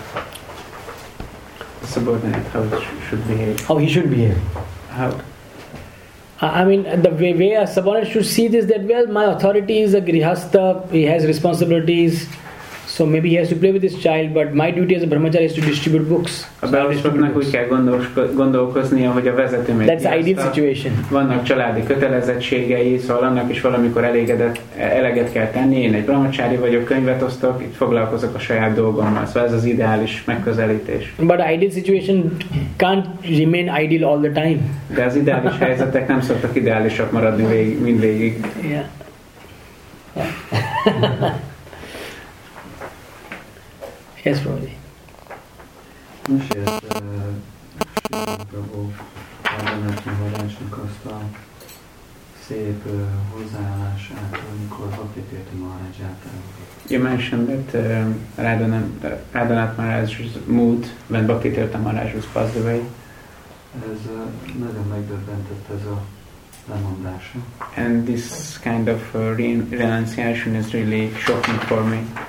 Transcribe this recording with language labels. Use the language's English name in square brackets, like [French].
[English] The subordinate, how should behave? How he should behave? How? I mean, the way a subordinate should see this, that well, my authority is a grihastha, he has responsibilities. So maybe he has to play with his child, but my duty as a brahmachari is to distribute books. [Hungarian] A beosztottnak úgy kell gondolkoznia, hogy a vezető megy. [English] That's the ideal situation. [Hungarian] Vannak családi kötelezettségei, szóval annak is valamikor eleget kell tenni. Én egy brahmachari vagyok, könyvet osztok, itt foglalkozok a saját dolgommal. Szóval ez az ideális megközelítés. [English] But ideal situation can't remain ideal all the time. [Hungarian] De az ideális helyzetek nem szoktak ideálisak maradni mindvégig. [English] Yeah. Yes, Rodi. [Hungarian] Prabhupádának azt a szép hozzáállását, amikor Bhaktivedanta Maharaj által. [English] You mentioned that Radhanath Maharaj's mood when Bhaktivedanta Maharaj was passed away. [Hungarian] Ez nagyon megdöbbentett ez a lemondása. [English] And this kind of renunciation is really shocking for me.